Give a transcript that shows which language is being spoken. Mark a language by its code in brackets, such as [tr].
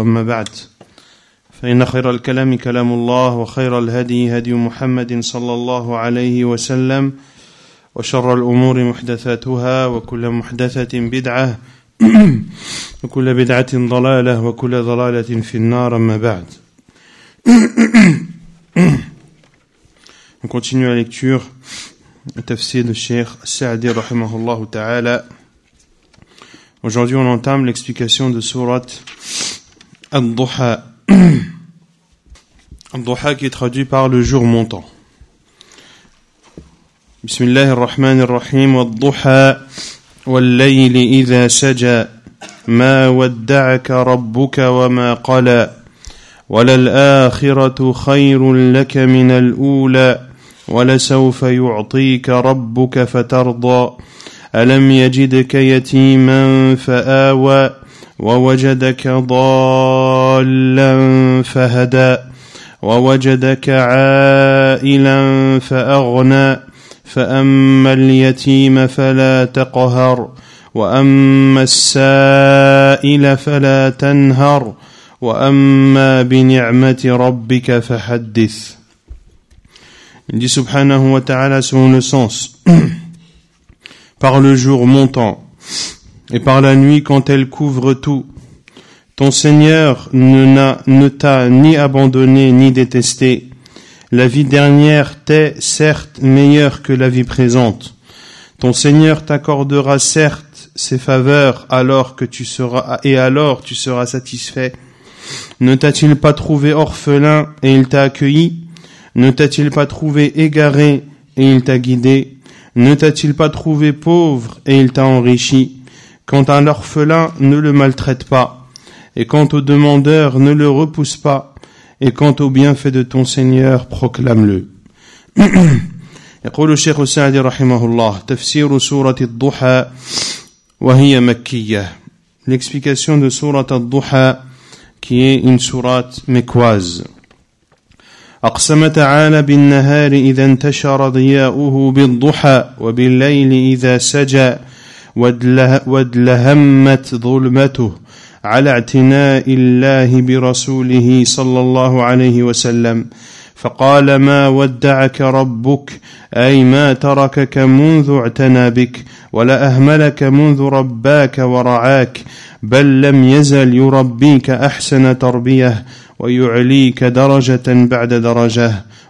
[ar] أما بعد، فإن خير الكلام كلام الله، وخير الهدي هدي محمد صلى الله عليه وسلم، وشر الأمور محدثاتها، وكل محدثة بدعة، وكل بدعة ضلالة، وكل ضلالة في النار. أما بعد. [fr] On continue la lecture du tafsir de Cheikh Saadi رحمه الله تعالى. Aujourd'hui on entame l'explication de Surat Al-Duha. Al-Duha qui est traduit par le jour montant. [ar] بسم الله الرحمن الرحيم والضحى والليل إذا سجى ما ودعك ربك وما قلى وللآخرة خير لك من الأولى ولسوف يعطيك ربك فترضى ألم يجدك يتيما فآوى ووجدك ضالا فهدى ووجدك عائلا فأغنى فأما اليتيم فلا تقهر وأما السائل فلا تنهر وأما بنعمة ربك فحدث. [fr] Il dit subhanahu wa ta'ala selon le sens, par le jour montant et par la nuit quand elle couvre tout, ton Seigneur ne t'a ni abandonné ni détesté. La vie dernière t'est certes meilleure que la vie présente. Ton Seigneur t'accordera certes ses faveurs alors tu seras satisfait. Ne t'a-t-il pas trouvé orphelin et il t'a accueilli? Ne t'a-t-il pas trouvé égaré et il t'a guidé? Ne t'a-t-il pas trouvé pauvre et il t'a enrichi? Quant à l'orphelin, ne le maltraite pas. Et quant au demandeur, ne le repousse pas. Et quant au bienfait de ton Seigneur, proclame-le. [ar] يقول الشيخ السعدي رحمه الله تفسير سورة الضحى وهي مكية. [fr] L'explication de سورة الضحى qui est une sourate mécoise. [ar] أقسم تعالى بالنهار إذا انتشر ضياؤه بالضحى وبالليل إذا سجى وادلهمت ظلمته على اعتناء الله برسوله صلى الله عليه وسلم فقال ما ودعك ربك أي ما تركك منذ اعتنى بك ولا أهملك منذ رباك ورعاك بل لم يزل يربيك أحسن تربية ويعليك درجة بعد درجة